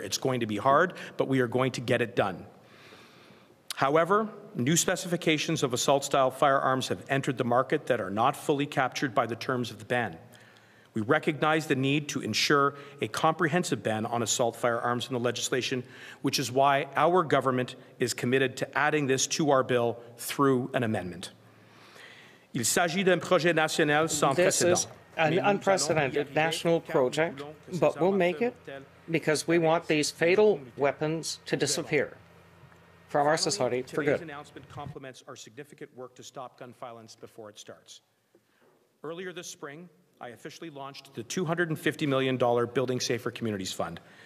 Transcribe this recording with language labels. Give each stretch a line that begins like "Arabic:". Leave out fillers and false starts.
English: It's going to be hard, but we are going to get it done. However, new specifications of assault-style firearms have entered the market that are not fully captured by the terms of the ban. We recognize the need to ensure a comprehensive ban on assault firearms in the legislation, which is why our government is committed to adding this to our bill through an amendment.
French: Il s'agit d'un projet national sans
English: this
French: précédent.
English: Is an unprecedented national project, but we'll make it because we want these fatal weapons to disappear from our society for good. Today's announcement complements our significant work to stop gun violence before it starts. Earlier this spring, I officially launched the $250 million Building Safer Communities Fund.